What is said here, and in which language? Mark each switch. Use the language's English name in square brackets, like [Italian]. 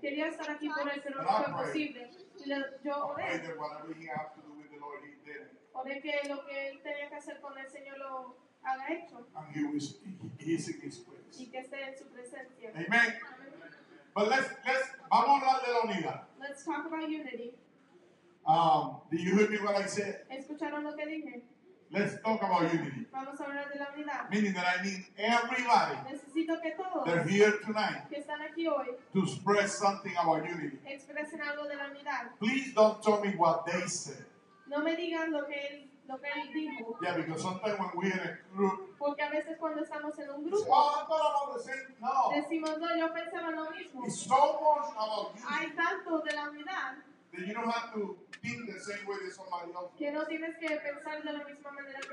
[Spanish] Quería estar aquí por él, pero no fue posible. Yo oré. [English] I prayed that whatever he had to do with the Lord, he did it. [Spanish] Oré que lo que él tenía que hacer con el Señor lo haga hecho. [English] And he is in his place. [Spanish] Y que esté en su presencia. [English] Amen. But let's [Spanish] vamos a hablar de la unidad. [English] Let's talk about unity. Did you hear me what I said? [Spanish] ¿Escucharon lo que dije? [English] Let's talk about unity. [Spanish] Vamos a hablar de la unidad. [English] Meaning that I need everybody. [Spanish] Necesito que todos. [English] They're here tonight. [Spanish] Que están aquí hoy. [English] To express something about unity. [Spanish] Expresen algo de la unidad. [English] Please don't tell me what they said. [Spanish] No me digan lo que él dijo. [English] Yeah, because sometimes when we're in a group. [Spanish] Porque a veces cuando estamos en un grupo. [English] Oh, I thought about the same. No. [Spanish] Decimos, no, yo pensaba lo mismo. [English] It's so much about unity. [Spanish] Hay tanto de la unidad. [English] That you don't have to think the same way that somebody else. [Spanish] Que no tienes que pensar de la misma manera que